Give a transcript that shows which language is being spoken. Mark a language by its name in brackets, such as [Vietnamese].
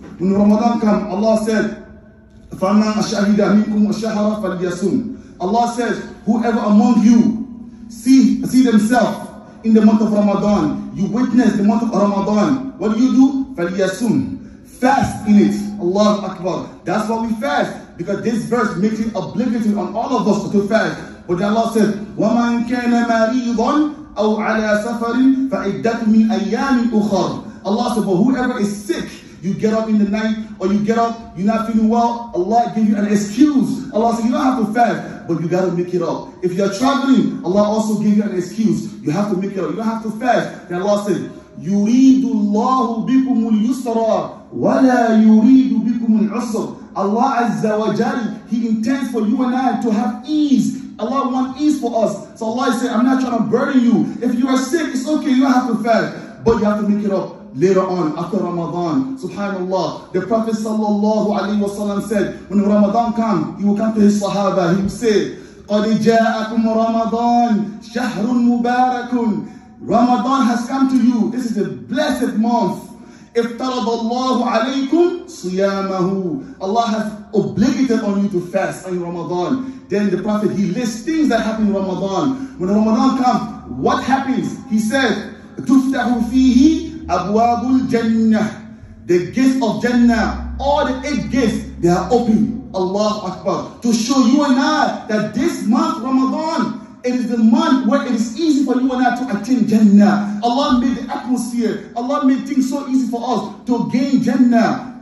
[English] When Ramadan comes, Allah said, [Arabic] فَمَنْ أَشْهِدَ مِنْكُمْ أَشْهَرَ فَلْيَسُمْ [English] Allah says, whoever among you see themselves in the month of Ramadan, you witness the month of Ramadan, what do you do? [Arabic] فَلْيَسُمْ [English] Fast in it. Allahu Akbar. That's why we fast, because this verse makes it obligatory on all of us to fast. But Allah says, [Arabic] وَمَنْ كَانَ مَرِيضًا أو على سفر فعدة من أيام أخرى. [English] Allah said, but whoever is sick, you get up in the night, or you get up, you're not feeling well. Allah give you an excuse. Allah said, you don't have to fast, but you gotta make it up. If you're traveling, Allah also give you an excuse. You have to make it up. You don't have to fast. Then Allah said, [Arabic] يريد الله بكم اليسر ولا يريد بكم العسر. [English] Allah Azza wa Jal, He intends for you and I to have ease. Allah wants ease for us. So Allah said, I'm not trying to burden you. If you are sick, it's okay. You don't have to fast. But you have to make it up later on, after Ramadan. Subhanallah. The Prophet sallallahu alaihi wasallam said, when Ramadan comes, he will come to his sahaba. He will say, [Arabic] قد جاءكم رمضان شهر مبارك. [English] Ramadan has come to you. This is a blessed month. [Arabic] افترض الله عليكم صيامه. [English] Allah has obligated on you to fast on Ramadan. Then the Prophet, he lists things that happen in Ramadan. When Ramadan comes, what happens? He says, [Arabic] تفتح فيه أبواب الجنة. [English] The gates of Jannah, all the 8 gates, they are open. Allahu Akbar. To show you and I that this month, Ramadan, it is the month where it is easy for you and I to attain Jannah. Allah made the atmosphere. Allah made things so easy for us to gain Jannah.